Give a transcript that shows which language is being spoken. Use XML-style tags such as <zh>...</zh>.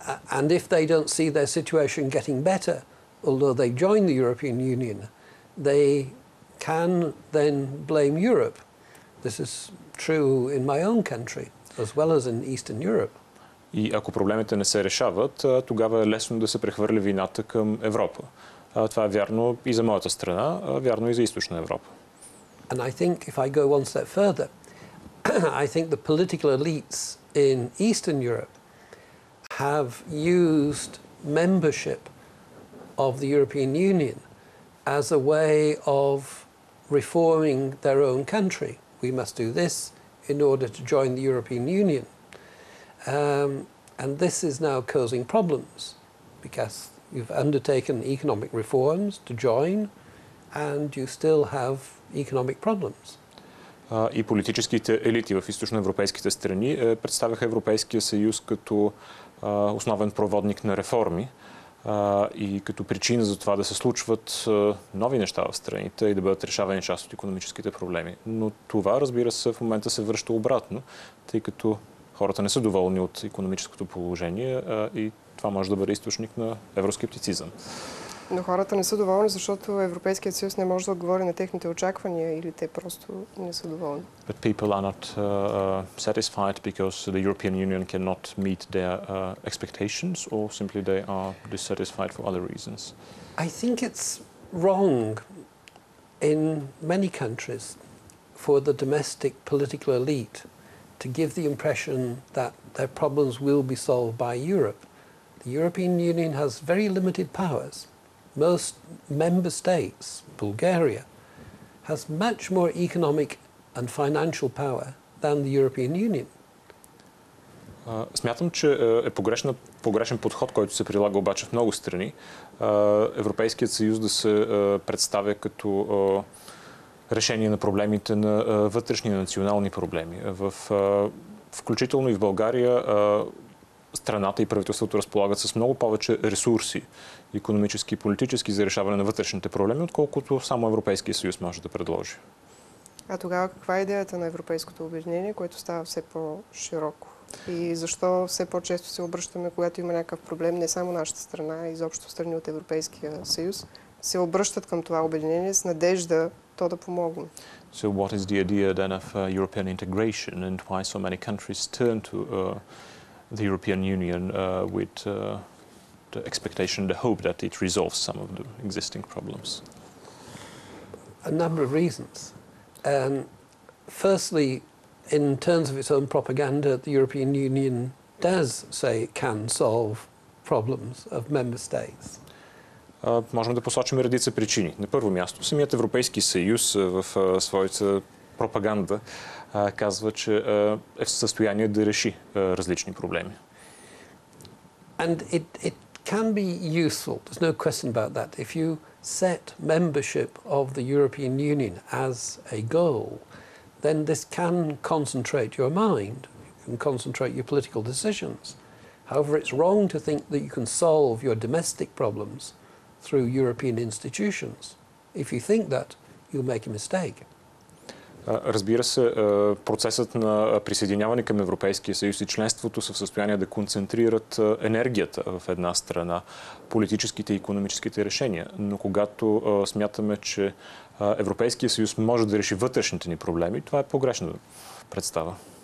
<en>And if they don't see their situation getting better, although they join the European Union, they can then blame Europe. This is true in my own country, as well as in Eastern Europe.</en> <bg>И ако проблемите не се решават, тогава е лесно да се прехвърли вината към Европа. Това е вярно и за моята страна, вярно и за Източна Европа.</bg> <en>And I think if I go one step further, I think the political elites in Eastern Europe have used membership of the European Union as a way of reforming their own country. We must do this in order to join the European Union. And this is now causing problems because you've undertaken economic reforms to join, and you still have economic problems.</en> <bg>и политическите елити в източноевропейските страни представяха Европейския съюз като основен проводник на реформи и като причина за това да се случват нови неща в страните и да бъдат решавани част от икономическите проблеми. Но това, разбира се, в момента се връща обратно, тъй като хората не са доволни от икономическото положение и това може да бъде източник на евроскептицизъм. Но хората не са доволни, защото Европейският съюз не може да отговори на техните очаквания или те просто не са доволни.</bg> <en>But people are not satisfied because the European Union cannot meet their expectations or simply they are dissatisfied for other reasons. I think it's wrong in many countries for the domestic political elite to give the impression that their problems will be solved by Europe. The European Union has very limited powers. Most member states, Bulgaria, has much more economic and financial power than the European Union.</en> <bg>Смятам, че е погрешен подход, който се прилага обаче в много страни. Европейският съюз да се представя като решение на проблемите на вътрешни национални проблеми. Включително и в България страната и правителството разполагат с много повече ресурси, икономически и политически, за решаване на вътрешните проблеми, отколкото само Европейския съюз може да предложи. А тогава каква е идеята на европейското обединение, което става все по-широко? И защо все по-често се обръщаме, когато има някакъв проблем, не само нашата страна, а изобщо страни от Европейския съюз, се обръщат към това обединение с надежда то да помогне?</bg> <en>So what is the idea then of European integration and why so many countries turn to the European Union with the expectation, the hope that it resolves some of the existing problems? A number of reasons. Firstly, in terms of its own propaganda, the European Union does say it can solve problems of member states.</en> <bg>Можем да посочим редица причини. На първо място, самият Европейски съюз в своята пропаганда казва, че е в състояние да реши различни проблеми.</bg> <en>And it can be useful. There's no question about that. If you set membership of the European Union as a goal, then this can concentrate your mind and concentrate your political decisions. However, it's wrong to think that you can solve your domestic problems through European institutions. If you think that, you make a mistake.</en> <bg>Разбира се, процесът на присъединяване към Европейския съюз и членството са в състояние да концентрират енергията в една страна, политическите и икономическите решения. Но когато смятаме, че Европейския съюз може да реши вътрешните ни проблеми, това е погрешна представа.</bg>